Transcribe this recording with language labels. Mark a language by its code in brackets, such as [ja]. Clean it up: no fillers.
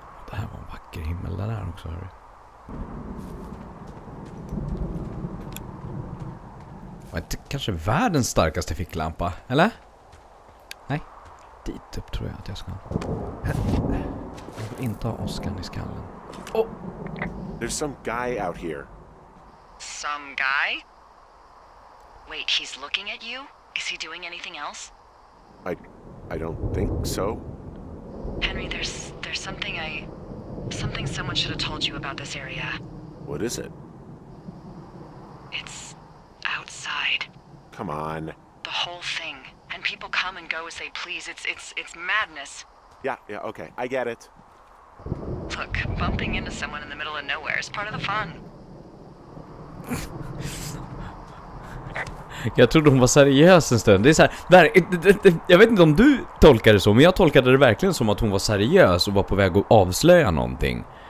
[sv] Det här var en vacker himmel där också, hör du. Var inte kanske världens starkaste ficklampa, eller? Nej, dit upp tror jag att jag ska. Jag vill inte ha Oskar i skallen. Oh! [en] There's some guy out here. Some guy? Wait, he's looking at you? Is he doing anything else? I don't think so. Henry, there's something I... Something someone should have told you about this area. What is it? It's outside. Come on. The whole thing. And people come and go as they please. It's madness. Yeah, okay. I get it. Look, bumping into someone in the middle of nowhere is part of the fun. [sv] Jag trodde hon var seriös en stund. Det är så här, jag vet inte om du tolkar det så, men jag tolkade det verkligen som att hon var seriös och var på väg att avslöja någonting.